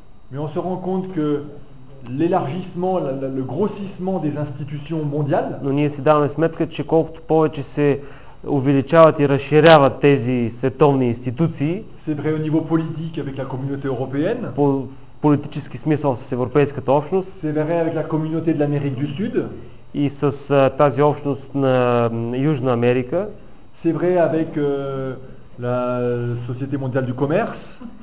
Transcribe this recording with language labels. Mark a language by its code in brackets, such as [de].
[fr] Mais on se rend compte que l'élargissement, le grossissement des institutions mondiales. [bg] Но ние си даваме сметка, че колкото повече се увеличават и разширяват тези световни институции. [fr] C'est vrai au niveau politique avec la communauté européenne. [bg] В политически смисъл с европейската общност. [fr] C'est vrai avec la communauté de l'Amérique du Sud. [bg] И с тази общност на Южна Америка. [fr] C'est vrai avec la Société mondiale du commerce.